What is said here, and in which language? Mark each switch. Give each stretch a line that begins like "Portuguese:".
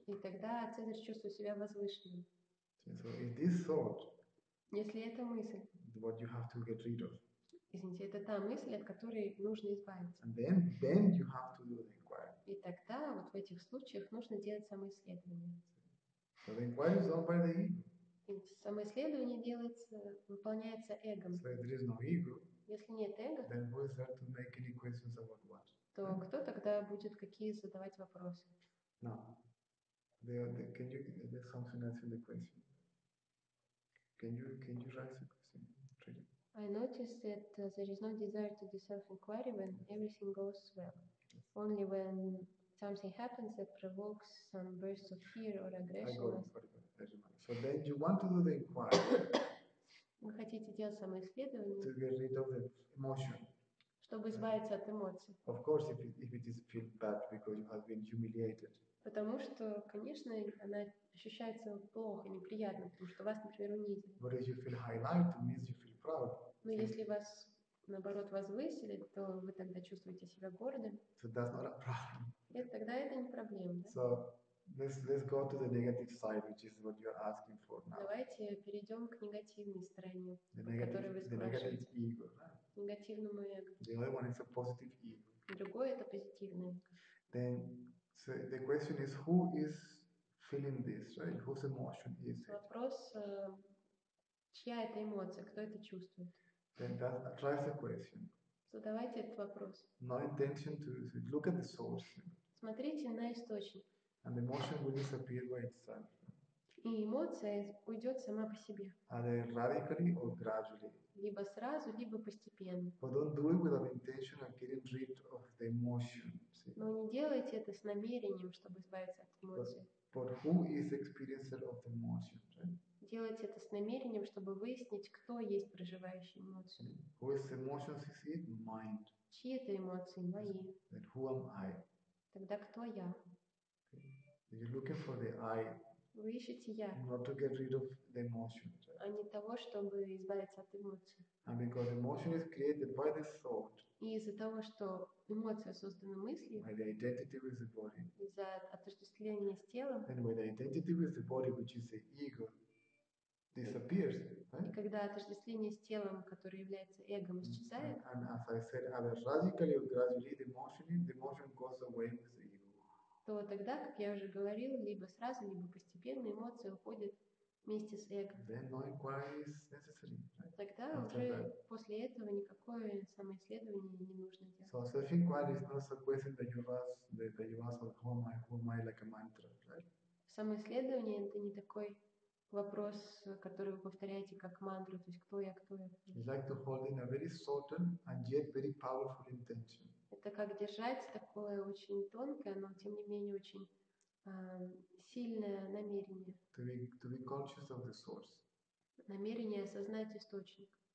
Russian: И тогда Цезарь чувствует себя возвышенным.
English: So if this thought,
Russian: если это мысль,
English: what you have to get rid of.
Russian: Извините, это та мысль, от которой нужно избавиться.
English: And then you have to do the inquiry.
Russian: И тогда вот в этих случаях нужно делать самоисследование.
English: So the inquiry is done by the ego.
Russian: Самоисследование делается, выполняется эгом.
English: So if there is no ego,
Russian: если нет эго,
English: then who is there to make any questions about what? То yeah.
Russian: Кто тогда будет какие задавать вопросы?
English: Now, can you do something else in the question? Can you write a question? I noticed that there is no desire to do self-inquiry when everything goes well. Only when something happens that provokes some burst of fear or aggression. So then you want to do the inquiry.
Russian: Вы хотите делать самоисследование.
English: To get rid of the emotion.
Russian: Чтобы избавиться от эмоций.
English: Of course, if it is feel bad because you have been humiliated.
Russian: Потому что, конечно, она ощущается плохо, неприятно, потому что вас, например, унизили.
English: But if you feel highlighted, means you feel proud.
Russian: Но если вас, наоборот, возвысили, то вы тогда чувствуете себя гордым.
English: So that's not a problem.
Russian: И тогда это не проблема. Да?
English: So let's go to the negative side, which is what you're asking for now.
Russian: Давайте перейдем к негативной стороне, которую вы спрашиваете.
English: The negative ego. Right?
Russian: Негативному эго.
English: The other one is a positive ego.
Russian: Другое это позитивное эго.
English: Then so the question is, who is feeling this, right? Whose emotion is it?
Russian: Вопрос, чья это эмоция, кто это чувствует?
English: Then that drives the question.
Russian: Задавайте этот вопрос.
English: No intention to look at the source.
Russian: Смотрите на источник.
English: And the emotion will disappear by itself.
Russian: И эмоция уйдет сама по себе.
English: Either radically or gradually.
Russian: Либо сразу, либо постепенно.
English: But don't do it without intention of getting rid of the emotion. See?
Russian: Но не делайте это с намерением, чтобы избавиться от эмоций.
English: But who is the experiencer of the emotion, right?
Russian: Делайте это с намерением, чтобы выяснить, кто есть проживающий эмоцию.
English: Who is the emotion? Is it mind?
Russian: Чьи это эмоции? Мои.
English: Then who am I?
Russian: Тогда кто я?
English: Okay. You're looking for the I.
Russian: Вы ищете я.
English: Not to get rid of the emotion, right?
Russian: А не того, чтобы избавиться от эмоций.
English: And because emotion is created by the thought.
Russian: И из-за того, что эмоция создана мыслью.
English: By the identity with the body.
Russian: Из-за отождествления с телом.
English: And when the identity with the body, which is the ego, disappears, right?
Russian: И когда отождествление с телом, которое является эгом, исчезает.
English: And as I said, either radically or gradually, the emotion goes away with the ego.
Russian: То тогда, как я уже говорил, либо сразу, либо постепенно эмоции уходят вместе с эго.
English: Then no inquiry is necessary, right?
Russian: Тогда
English: after
Russian: уже
English: that.
Russian: После этого никакое самоисследование не нужно делать.
English: So self-inquiry is not a question that you ask, who am I, like a mantra, right?
Russian: Самоисследование это не такой вопрос, который вы повторяете как мантру, то есть кто я.
English: It's like to hold in a very subtle and yet very powerful intention.
Russian: Это как держать такое очень тонкое, но тем не менее очень сильное намерение.
English: To be conscious of the source.
Russian: Намерение осознать источник.